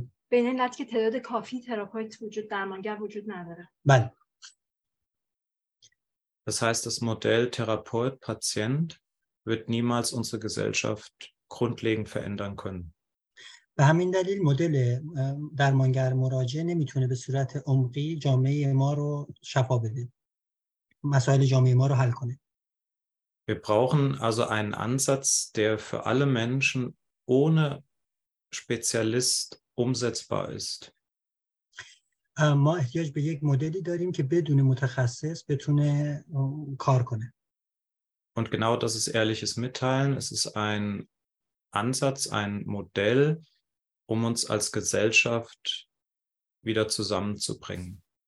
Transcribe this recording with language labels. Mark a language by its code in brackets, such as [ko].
[fa] به این علت که تعداد کافی تراپیست وجود درمانگر وجود نداره. بله. [de] Das heißt, das Modell Therapeut-Patient wird niemals unsere Gesellschaft grundlegend verändern können. [fa] به همین دلیل مدل درمانگر مراجع نمیتونه به صورت عمقی جامعه ما رو شفا بده. مسائل جامعه ما رو حل کنه. [de] Wir brauchen also einen Ansatz, der für alle Menschen ohne Spezialist umsetzbar ist. [fa] ما احتیاج به یک مدلی داریم که بدون متخصص بتونه کار کنه. [de] Und genau das ist ehrliches Mitteilen. Es ist ein Ansatz, ein Modell, um uns als Gesellschaft wieder zusammenzubringen.